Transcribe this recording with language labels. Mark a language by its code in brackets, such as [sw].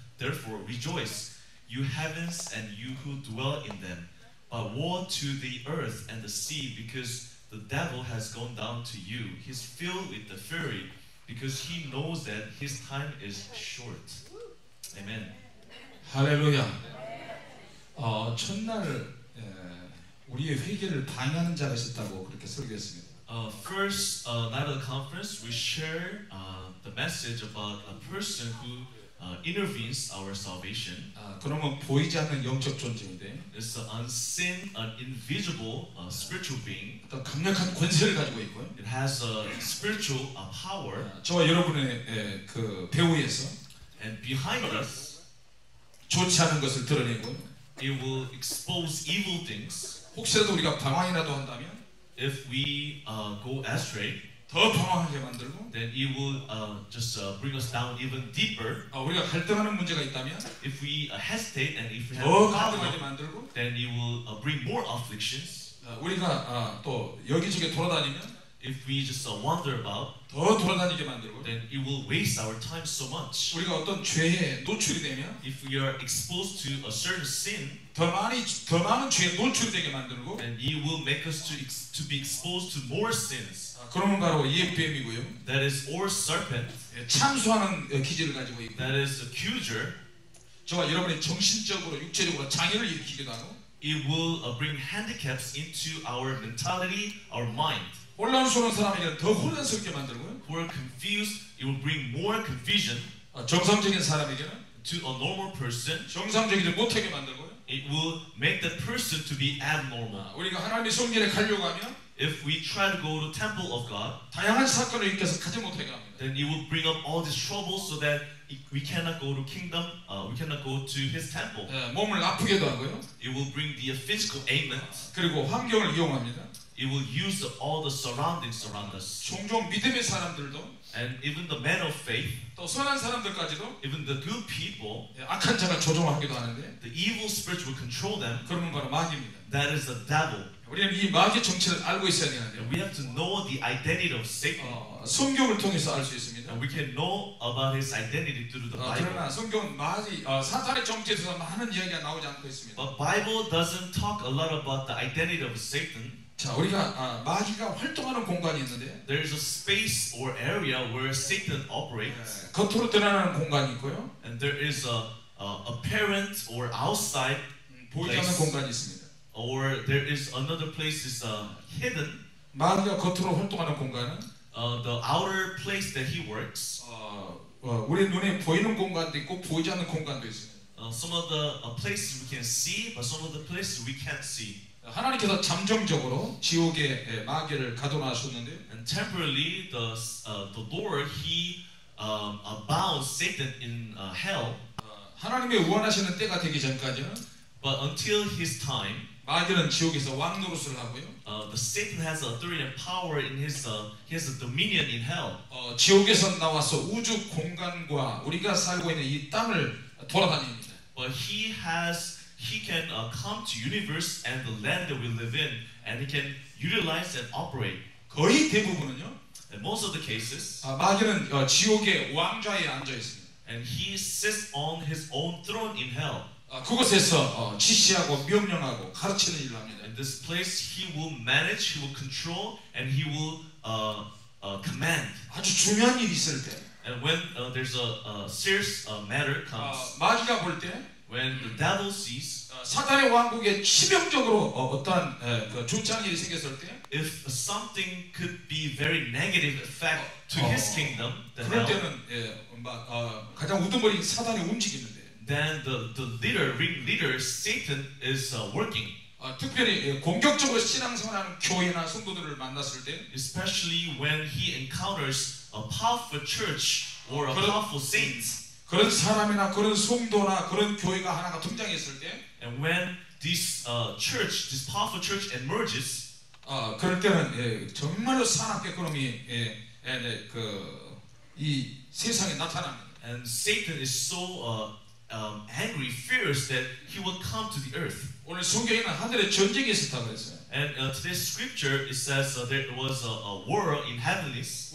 [en] Therefore, rejoice, you heavens and you who dwell in them. But woe to the earth and the sea, because the devil has gone down to you. He's filled with the fury, because he knows that his time is short. [ko] 아멘. 할렐루야. 첫날 우리의 회개를 방해하는 자가 있었다고 그렇게 설교했습니다. [en] First night of the conference, we share the message about a person who intervenes our salvation. [ko] 그러면 보이지 않는 영적 존재인데. [en] It's an unseen, an invisible spiritual being. [ko] 또 강력한 권세를 가지고 있고요. [en] It has a spiritual power. [ko] 저와 여러분의 그 배후에서. [en] And behind us, [ko] 좋지 않은 것을 드러내고, [en] it will expose evil things. [ko] 혹시라도 우리가 방황이라도 한다면, [en] if we go astray, [ko] 더 방황하게 만들고, [en] then it will just bring us down even deeper. [ko] 우리가 갈등하는 문제가 있다면, [en] if we hesitate and if we [ko] have 더 갈등하게 만들고, [en] then it will bring more afflictions. [ko] 우리가 또 여기저기 돌아다니면. [en] If we just wander about, [ko] 더 돌아다니게 만들고, [en] then it will waste our time so much. [ko] 우리가 어떤 죄에 노출이 되면, [en] if we are exposed to a certain sin, [ko] 더 많은 죄에 노출되게 만들고, [en] then it will make us to be exposed to more sins. [ko] 그러면 바로 이 뱀이고요. [en] That is our serpent. [ko] 참수하는 기질을 가지고 있고, [en] that is accuser. [ko] 저와 여러분의 정신적으로, 육체적으로 장애를 일으키기도 하고, [en] it will bring handicaps into our mentality, our mind. [ko] 혼란스러운 사람에게 더 혼란스럽게 만들고요. [en] Who are confused, it will bring more confusion. [ko] 정상적인 사람에게는 [en] to a normal person, [ko] 정상적이지 못하게 만들고요. [en] It will make the person to be abnormal. [ko] 우리가 하나님의 성전에 가려고 하면, [en] if we try to go to temple of God, [ko] 다양한 사건을 일으켜서 가지 못하게 합니다. [en] Then it will bring up all these troubles so that we cannot go to kingdom, we cannot go to his temple. [ko] 몸을 아프게도 하고요. [en] It will bring the physical ailment. [ko] 그리고 환경을 이용합니다. [en] It will use all the surroundings around us. [ko] 종종 믿음의 사람들도, [en] and even the men of faith, [ko] 또 선한 사람들까지도, [en] even the good people, [ko] 악한 자가 조종하기도 하는데, [en] the evil spirits will control them. [ko] 그러면 바로 마귀입니다. [en] That is the devil. [ko] 우리는 이 마귀의 정체를 알고 있어야 되는데, [en] we have to know the identity of Satan. [ko] 성경을 통해서 알 수 있습니다. [en] We can know about his identity through the Bible. [ko] 그러나 성경은 마귀, 사탄의 정체에서 많은 이야기가 나오지 않고 있습니다. [en] But Bible doesn't talk a lot about the identity of Satan. [ko] 자 우리가 마귀가 활동하는 공간이 있는데 [en] there is a space or area where Satan operates. [ko] 겉으로 드러나는 공간이 있고요. [en] And there is a apparent or outside [ko] 보이지 않는 공간이 있습니다. [en] or there is another place is hidden. [ko] 마귀가 겉으로 활동하는 공간은 [en] the outer place that he works. [ko] 우리 눈에 보이는 공간도 있고 보이지 않는 공간도 있어요. [en] Some of the places we can see, but some of the places we can't see. [ko] 하나님께서 잠정적으로 지옥에 마귀를 가둬놨었는데. [en] And temporarily, the Lord he bound Satan in hell. [ko] 하나님의 원하시는 때가 되기 전까지는. [en] But until his time, [ko] 마귀는 지옥에서 왕 노릇을 하고요. [en] The Satan has authority and power in his he has a dominion in hell. [ko] 지옥에서 나와서 우주 공간과 우리가 살고 있는 이 땅을 돌아다닙니다. [en] But he can come to universe and the land that we live in, and he can utilize and operate. [ko] 거의 대부분은요. [en] And most of the cases, [ko] 마귀는 지옥의 왕좌에 앉아 있습니다. [en] And he sits on his own throne in hell. [ko] 그곳에서 지시하고 명령하고 가르치는 일을 합니다. [en] In this place, he will manage, he will control, and he will command. [ko] 아주 중요한 일이 있을 때. [en] And when there's a serious matter comes. [ko] 마귀가 볼 때. [en] When the devil sees. [ko] 사탄의 왕국에 치명적으로 어떤 그 중창 일이 생겼을 때. [en] If something could be very negative effect to his kingdom, then. [ko] 그럴 때는 가장 우두머리인 사단이 움직이는데. [en] Then the ring leader Satan is working. [ko] 특별히 공격적으로 신앙생활하는 교회나 성도들을 만났을 때, [en] especially when he encounters a powerful church or a powerful saint. [ko] 그런 사람이나 그런 성도나 그런 교회가 하나가 등장했을 때, [en] and when this church, this powerful church emerges, [ko] 그럴 때는 정말로 사나의 그놈이 그 이 세상에 나타납니다. [en] And Satan is so angry, fierce, that he will come to the earth. [ko] 오늘 성경에는 하늘에 전쟁이 있었다고 그랬어요. [en] And today's scripture it says there was a war in heavenlies.